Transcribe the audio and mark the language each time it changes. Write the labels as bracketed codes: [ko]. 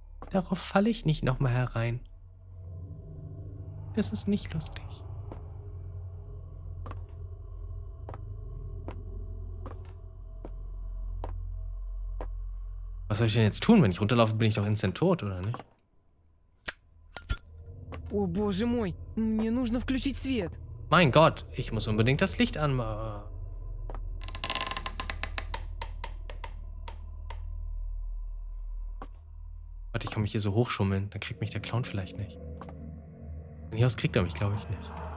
[de] Darauf falle ich nicht nochmal herein. Das ist nicht lustig. Was soll ich denn jetzt tun? Wenn ich runterlaufe, bin ich doch instant tot, oder nicht? [ru] Oh, Боже мой, мне нужно включить свет. [de] Mein Gott, ich muss unbedingt das Licht anmachen. Warte, ich kann mich hier so hochschummeln, dann kriegt mich der Clown vielleicht nicht. Von hier aus kriegt er mich, glaube ich, nicht.